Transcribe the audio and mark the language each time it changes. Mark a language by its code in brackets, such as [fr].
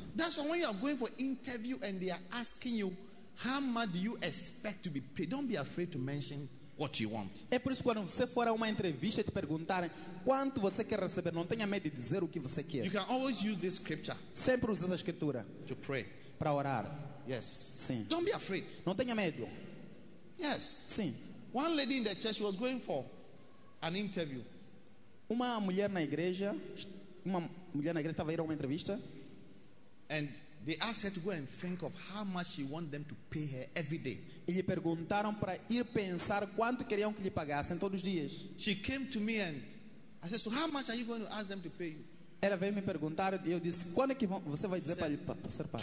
[en] That's why when you are going for interview and they are asking you, how much do you expect to be paid? Don't be afraid to mention what you want. [pt] É por isso que quando você for a uma entrevista te perguntarem quanto você quer receber, não tenha medo de dizer o que você quer. [en] You can always use this scripture. [pt] Sempre use essa escritura. [en] To pray. [pt] Para orar. [en] Yes. [pt] Sim. [en] Don't be afraid. [pt] Não tenha medo. [en] Yes. [pt] Sim. [en] One lady in the church was going for an interview. [pt] Uma mulher na igreja estava a ir a uma entrevista. [en] And they asked her to go and think of how much she wanted them to pay her every day. [pt] E lhe perguntaram para ir pensar quanto queriam que lhe pagassem todos os dias. [en] She came to me and I said, so how much are you going to ask them to pay you? [pt] Ela veio me perguntar e eu disse, quando é que você vai dizer para ser pago?